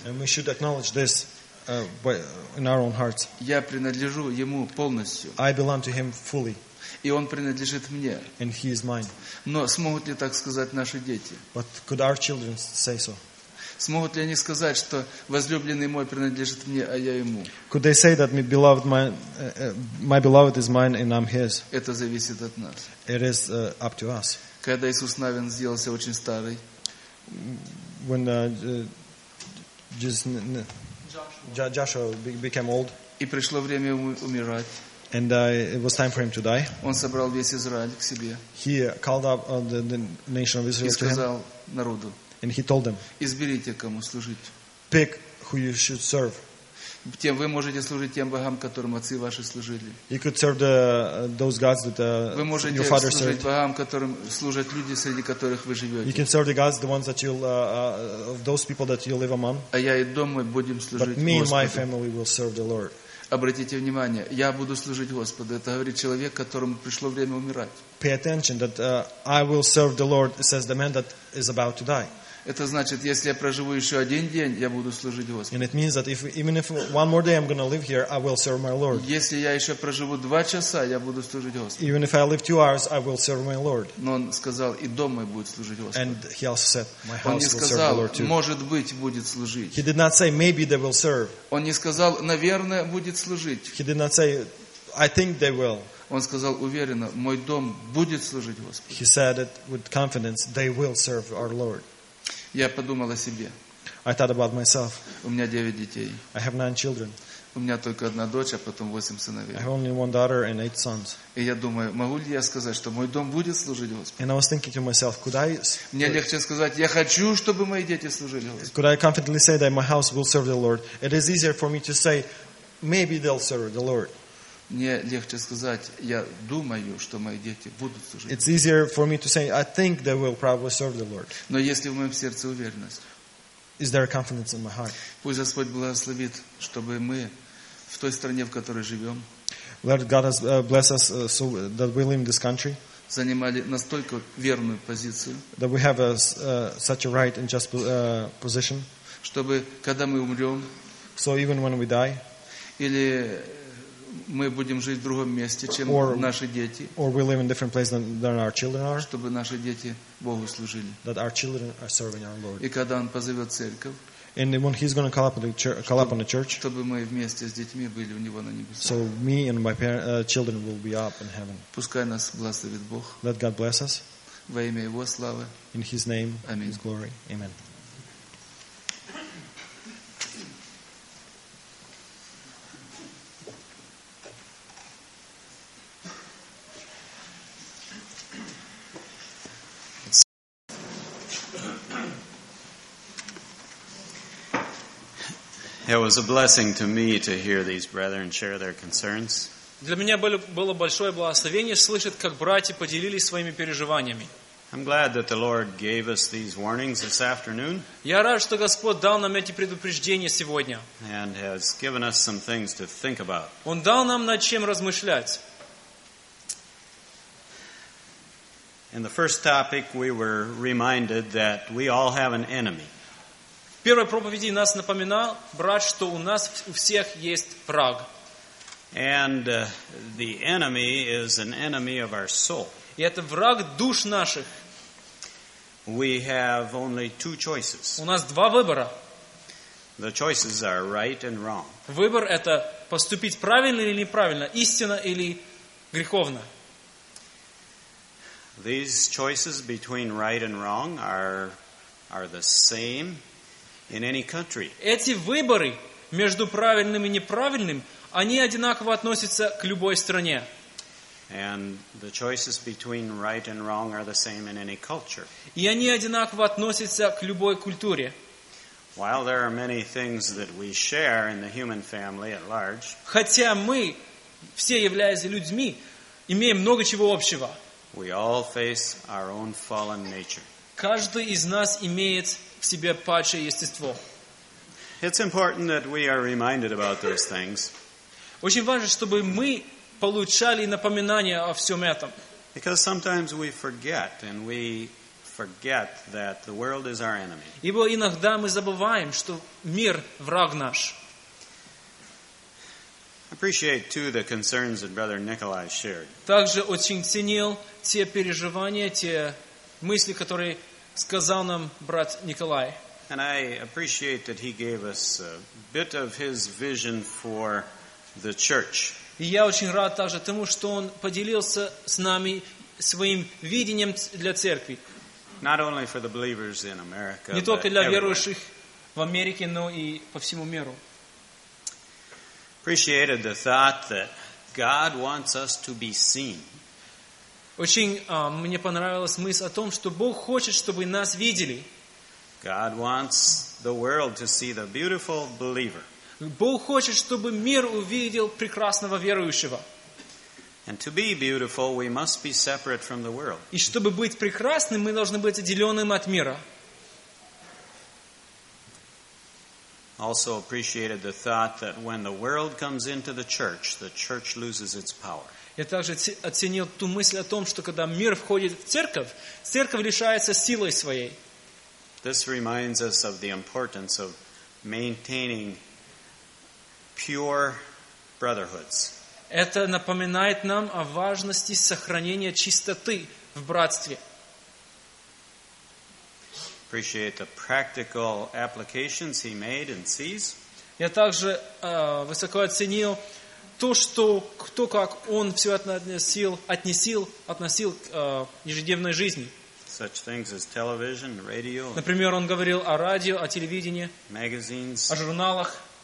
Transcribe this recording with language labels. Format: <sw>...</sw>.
<en>And we should acknowledge this. In our own hearts.</en> <ru>Я принадлежу ему полностью.</ru> <en>I belong to him fully.</en> <ru>И он принадлежит мне.</ru> <en>And he is mine.</en> <ru>Но смогут ли так сказать наши дети?</ru> <en>But could our children say so?</en> <ru>Смогут ли они сказать, что возлюбленный мой принадлежит мне, а я ему?</ru> <en>Could they say that my beloved is mine and I'm his?</en> <ru>Это зависит от нас.</ru> <en>It is up to us.</en> <ru>Когда Иисус Навин сделался очень старый.</ru> <en>When Joshua became old.</en> <ru>И пришло время умирать.</ru> <en>And it was time for him to die.</en> <ru>Он собрал весь Израиль к себе.</ru> <en>He called up the nation of Israel.</en> <ru>И сказал народу.</ru> <en>And he told them.</en> <ru>Изберите, кому служить.</ru> <en>Pick who you should serve.</en> <ru>Тем вы можете служить тем богам, которым отцы ваши служили.</ru> <en>You could serve those gods that</en> <ru>вы можете</ru> <en>your father</en> <ru>служить</ru> <en>served.</en> <ru>Богам, которым служат люди, среди которых вы живете.</ru> <en>You can serve the gods, the ones that you'll of those people that you live among.</en> <ru>А я и дом мой будем служить Господу.</ru> <en>But me and my family will serve the Lord.</en> <ru>Обратите внимание, я буду служить Господу. Это говорит человек, которому пришло время умирать.</ru> <en>Pay attention that I will serve the Lord, says the man that is about to die.</en> <ru>Это значит, если я проживу еще один день, я буду служить Господу.</ru> <en>And it means that even if one more day I'm going to live here, I will serve my Lord.</en> <ru>Если я еще проживу два часа, я буду служить Господу.</ru> <en>Even if I live 2 hours, I will serve my Lord.</en> <ru>Но он сказал, и дом мой будет служить Господу.</ru> <en>And he also said, my house</en> <ru>он не сказал,</ru> <en>will serve the Lord too.</en> <ru>Может быть, будет служить.</ru> <en>He did not say, maybe they will serve.</en> <ru>Он не сказал, наверное, будет служить.</ru> <en>He did not say, I think they will.</en> <ru>Он сказал уверенно, мой дом будет служить Господу.</ru> <en>He said it with confidence, they will serve our Lord.</en> <ru>Я подумал о себе.</ru> <en>I thought about myself.</en> <ru>У меня 9 детей.</ru> <en>I have 9 children.</en> <ru>У меня только одна дочь, а потом 8 сыновей.</ru> <en>I have only one daughter and 8 sons.</en> <ru>И я думаю, могу ли я сказать, что мой дом будет служить Господу?</ru> <en>And I was thinking to myself, could I?</en> <ru>Мне легче сказать, я хочу, чтобы мои дети служили Господу.</ru> <en>Could I confidently say that my house will serve the Lord? It is easier for me to say, maybe they'll serve the Lord.</en> <ru>Мне легче сказать, я думаю, что мои дети будут служить.</ru> <en>It's easier for me to say, I think they will probably serve the Lord.</en> <ru>Но если в моем сердце уверенность?</ru> <en>Is there a confidence in my heart?</en> <ru>Пусть Господь благословит, чтобы мы в той стране, в которой живем,</ru> <en>let God bless us so that we live in this country,</en> <ru>занимали настолько верную позицию,</ru> <en>that we have such a right and just position,</en> <ru>чтобы когда мы умрем,</ru> <en>so even when we die,</en> <ru>или мы будем жить в другом месте, чем наши дети.</ru> <en>Or we live in different place than our children are.</en> <ru>Чтобы наши дети Богу служили.</ru> <en>That our children are serving our Lord.</en> <ru>И когда он позовет церковь.</ru> <en>And when he's going to call up on the church.</en> <ru>Чтобы мы вместе с детьми были у него на небесах.</ru> <en>So me and my children will be up in heaven.</en> <ru>Пускай нас благословит Бог.</ru> <en>Let God bless us.</en> <ru>Во имя его славы.</ru> <en>In his name.</en> <ru>Аминь.</ru> <en>His glory. Amen. It was a blessing to me to hear these brethren share their concerns.</en> <ru>Для меня было большое благословение слышать, как братья поделились своими переживаниями.</ru> <en>I'm glad that the Lord gave us these warnings this afternoon.</en> <ru>Я рад, что Господь дал нам эти предупреждения сегодня.</ru> <en>And has given us some things to think about.</en> <ru>Он дал нам над чем размышлять.</ru> <en>In the first topic, we were reminded that we all have an enemy.</en> <ru>В первой проповеди нас напоминал брат, что у нас у всех есть враг.</ru> <en>And the enemy is an enemy of our soul.</en> <ru>И это враг душ наших.</ru> <en>We have only two choices.</en> <ru>У нас два выбора.</ru> <en>The choices are right and wrong.</en> <ru>Выбор это поступить правильно или неправильно, истинно или греховно.</ru> <en>These choices between right and wrong are the same. In any country.</en> <ru>Эти выборы между правильным и неправильным, они одинаково относятся к любой стране.</ru> <en>And the choices between right and wrong are the same in any culture.</en> <ru>И они одинаково относятся к любой культуре.</ru> <en>While there are many things that we share in the human family at large.</en> <ru>Хотя мы все являясь людьми, имеем много чего общего.</ru> <en>We all face our own fallen nature.</en> <ru>Каждый из нас имеет в себе падшее естество.</ru> <en>It's important that we are reminded about those things.</en> <ru>Очень важно, чтобы мы получали напоминание о всем этом.</ru> <en>Because sometimes we forget, and we forget that the world is our enemy.</en> <ru>Ибо иногда мы забываем, что мир враг наш.</ru> <en>Appreciate too the concerns that Brother Nikolai shared.</en> <ru>Также очень ценил те переживания, те мысли, которые сказал нам брат Николай.</ru> <en>And I appreciate that he gave us a bit of his vision for the church.</en> <uk>І я дуже рад також тому, що він поділився з нами своїм видінням для церкви.</uk> <en>Not only for the believers in America.</en> <uk>Не тільки для віруючих в Америці, але і по всьому світу.</uk> <en>Appreciated the thought that God wants us to be seen.</en> <ru>Очень мені понравилась мысль о том, что Бог хочет, чтобы нас видели.</ru> <en>God wants the world to see the beautiful believer.</en> <ru>Бог хочет, чтобы мир увидел прекрасного верующего.</ru> <en>And to be beautiful, we must be separate from the world.</en> <ru>И чтобы быть прекрасным, мы должны быть отделенным от мира.</ru> <en>Also appreciated the thought that when the world comes into the church loses its power.</en> <ru>Я также оценил ту мысль о том, что когда мир входит в церковь, церковь лишается силы своей.</ru> <en>This reminds us of the importance of maintaining pure brotherhoods.</en> <ru>Это напоминает нам о важности сохранения чистоты в братстве.</ru> <en>Appreciate the practical applications he made and sees.</en> <ru>Я также высоко оценил то, что кто как он все относил к ежедневной жизни.</ru> <en>Such things as television, radio.</en> <ru>Например, он говорил о радио, о телевидении,</ru> <en>magazines,</en> <ru>о журналах,</ru>